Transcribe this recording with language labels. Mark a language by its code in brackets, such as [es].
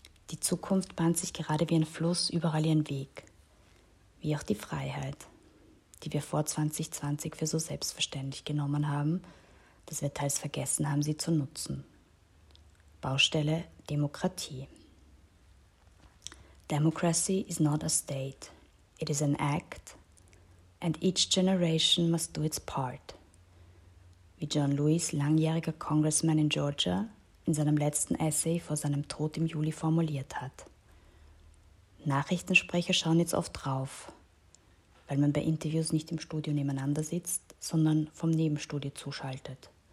[de] Die Zukunft bahnt sich gerade wie ein Fluss überall ihren Weg, wie auch die Freiheit, die wir vor 2020 für so selbstverständlich genommen haben, dass wir teils vergessen haben, sie zu nutzen. Baustelle Demokratie. [en] Democracy is not a state. It is an act, and each generation must do its part. [de] Wie John Lewis, langjähriger Congressman in Georgia, in seinem letzten Essay vor seinem Tod im Juli formuliert hat. Nachrichtensprecher schauen jetzt oft drauf, weil man bei Interviews nicht im Studio nebeneinander sitzt, sondern vom Nebenstudio zuschaltet.